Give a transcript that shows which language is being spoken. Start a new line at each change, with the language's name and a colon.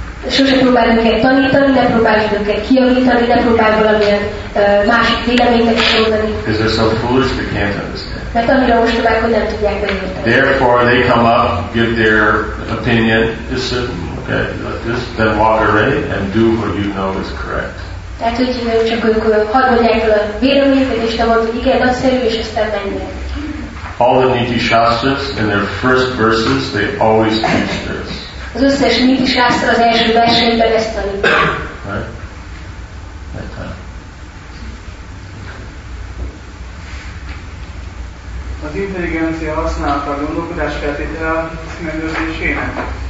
Hungarian: Sose próbáljuk el tanítani, ne próbáljuk el kiavítani, ne próbáljuk valamilyen másik véleményeket mondani.
English: Because they're so foolish, they can't understand.
Hungarian: Mert annyira ostobák, hogy nem tudják megérteni.
English: Therefore, they come up, give their opinion, just sit, okay, like this, then walk away and do what you know is correct.
Hungarian: Tehát, hogy csak ők hadd mondják el a véleményeket, és te mondd, hogy igen, nagyszerű, és aztán menjél.
English: All the Niti Shastras, in their first verses, they always teach this.
Hungarian: Az összes Niti Shastra az első versenyben ezt tanít.
English: Right? That time.
Hungarian: Az intelligencia használta a gondolkodás feltétel megőrzésének.